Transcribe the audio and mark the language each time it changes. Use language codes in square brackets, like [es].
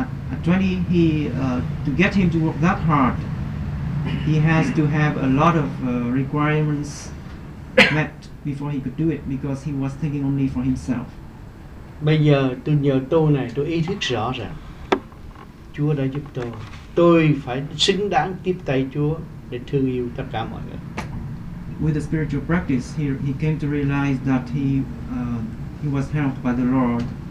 [en] At 20, he to get him to work that hard, he has to have a lot of requirements met before he could do it because he was thinking only for himself. [vi] Bây giờ tôi nhờ tu này, tôi ý thức rõ ràng Chúa đã giúp tôi. Tôi phải xứng đáng tiếp tay Chúa để thương yêu tất cả mọi người. [en] With the spiritual practice, he came to realize that he was helped by the Lord.